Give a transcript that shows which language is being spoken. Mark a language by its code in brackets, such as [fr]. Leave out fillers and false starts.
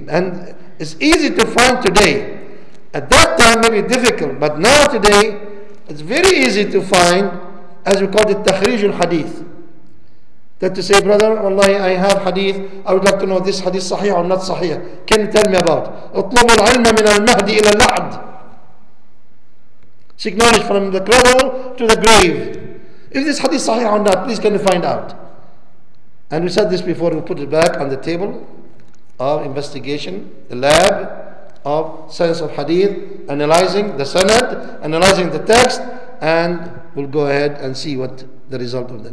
[en] And it's easy to find today. At that time, maybe difficult. But now today, it's very easy to find, as we call it, takhrij al-hadith. That to say, brother, wallahi, I have hadith, I would like to know this hadith sahih or not sahih. Can you tell me about? [ar] اطلبوا العلم من المهدي إلى اللعد. [en] Seek knowledge from the cradle to the grave. If this hadith sahih or not, please can you find out? And we said this before, we put it back on the table of investigation, the lab of science of hadith, analyzing the sanad, analyzing the text, and we'll go ahead and see what the result of that.